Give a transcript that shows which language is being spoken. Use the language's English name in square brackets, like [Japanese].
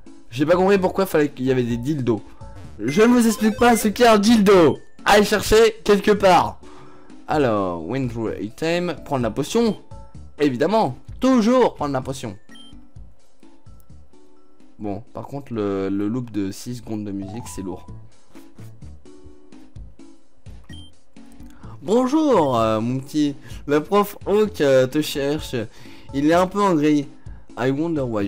[French] J'ai pas compris pourquoi fallait qu'il y avait des dildos. Je ne vous explique pas ce qu'est un dildo. Allez chercher quelque part. Alors, [English] went through item, [French] prendre la potion. Évidemment, toujours prendre la potion. Bon, par contre, le loop de 6 secondes de musique, c'est lourd. Bonjour, mon petit. Le prof Hawk te cherche. Il est un peu en gris. [English] I wonder why.